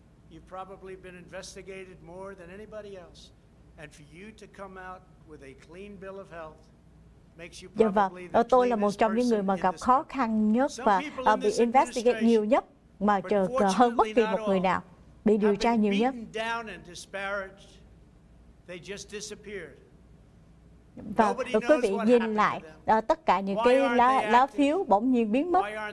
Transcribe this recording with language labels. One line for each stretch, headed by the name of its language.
English: You've probably been investigated more than anybody else, and for you to come out with a clean bill of health makes you probably the cleanest person in this world.
Vietnamese: Tôi là một trong những người mà gặp khó khăn nhất và bị investigate nhiều nhất mà chờ hơn bất kỳ một người nào, bị điều tra nhiều nhất.
English: Beaten down and disparaged, they just disappeared.
Vietnamese: Và quý vị nhìn lại tất cả những cái lá phiếu bỗng nhiên biến mất.